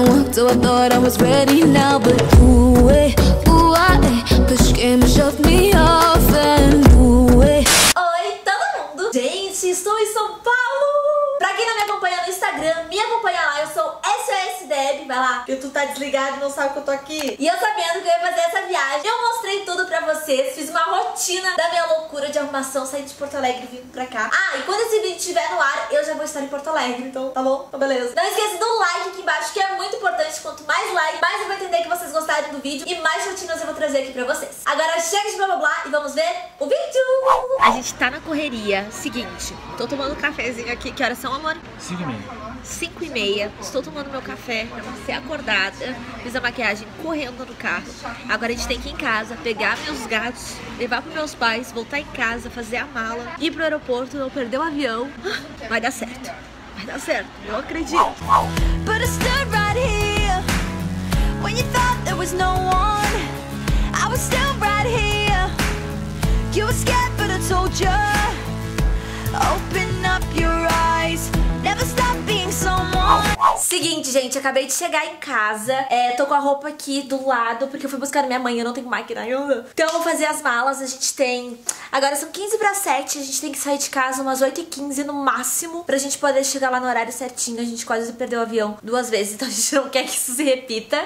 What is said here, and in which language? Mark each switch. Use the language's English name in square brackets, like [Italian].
[English] walked, so I thought I was ready now. But ooh, eh, ooh, ah, eh, push came and shoved me off. And ooh, eh. [Portuguese] Oi, todo mundo! Gente, estou em São Paulo! Pra quem não me acompanha no Instagram, me acompanha lá, eu sou SOS Deb, vai lá. E tu tá desligado e não sabe que eu tô aqui. E eu sabendo que eu ia fazer essa viagem, eu mostrei tudo pra vocês. Fiz uma rotina da minha loucura de arrumação, saí de Porto Alegre e vim pra cá. Ah, e quando esse vídeo estiver no ar, eu já vou estar em Porto Alegre, então tá bom? Então beleza. Não esqueça do like aqui embaixo, que é muito importante. Quanto mais like, mais eu vou entender que vocês gostaram do vídeo e mais rotinas eu vou trazer aqui pra vocês. Agora chega de blá blá blá e vamos ver o vídeo! A gente tá na correria, seguinte, tô tomando um cafezinho aqui, que horas são, amor? 5:30. Estou tomando meu café, ser acordada, fiz a maquiagem correndo no carro. Agora a gente tem que ir em casa, pegar meus gatos, levar para meus pais, voltar em casa, fazer a mala, ir pro aeroporto, não perder o avião. Vai dar certo. Vai dar certo. Eu acredito. [English] But I stood right here when you thought there was no one. I was still right here. You were scared, but I told you. Open up your eyes. Never stop being someone. [Portuguese] Seguinte, gente, acabei de chegar em casa. Tô com a roupa aqui do lado, porque eu fui buscar minha mãe, eu não tenho máquina ainda. Então eu vou fazer as malas, a gente tem... Agora são 6:50, a gente tem que sair de casa umas 8:15 no máximo, pra gente poder chegar lá no horário certinho. A gente quase perdeu o avião duas vezes, então a gente não quer que isso se repita.